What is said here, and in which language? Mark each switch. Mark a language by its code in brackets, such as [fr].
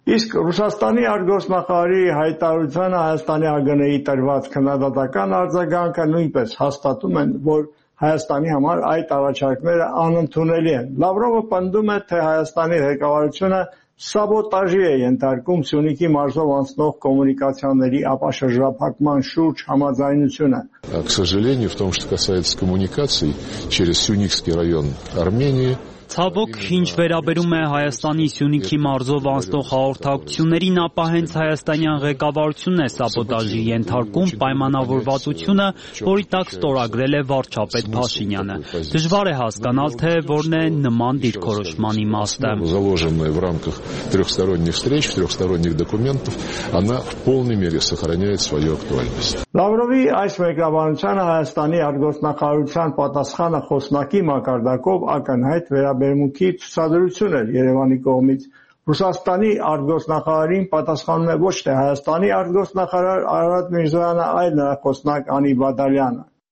[hy] Իսկ Ռուսաստանի արտգործնախարարի հայտարարությանը Հայաստանի ԱԳՆ-ի տրված քննադատական արձագանքը նույնպես հաստատում են, որ Հայաստանի համար այդ առաջարկները անընդունելի են։ Լավրովը պնդում է, թե Հայաստանի ղեկավարությունը սաբոտաժի է ենթարկում Սյունիքի մարզով անցնող կոմունիկացիաների ապաշրջափակման շուրջ համաձայնությունը։ [ru] К сожалению, в том, что касается коммуникаций через Սյունիքский район Армении, [hy] ցավոք, ինչ վերաբերում է Հայաստանի Սյունիքի մարզով անցնող հաղորդակցություններին, ապա հենց հայաստանյան ղեկավարությունն է սաբոտաժի ենթարկում պայմանավորվածությունը, որի տակ ստորագրել է վարչապետ Փաշինյանը։ Դժվար է հասկանալ, թե որն է նման դիրքորոշման իմաստը։ [ru] Заложенная в рамках трёхсторонних встреч, трёхсторонних документов, она в полной мере сохраняет свою актуальность. [hy] Լավրովի այս ղեկավարությունը Հայաստանի արտգործնախարարության պատասխանը խոսնակի մակարդակով ակնհայտ վերաբերմունքի ցուցադրություն էր Երևանի կողմից։ Ռուսաստանի արտգործնախարարին պատասխանում է ոչ թե Հայաստանի արտգործնախարար Արարատ Միրզոյանը, այլ նրա խոսնակ Անի Բադալյանը։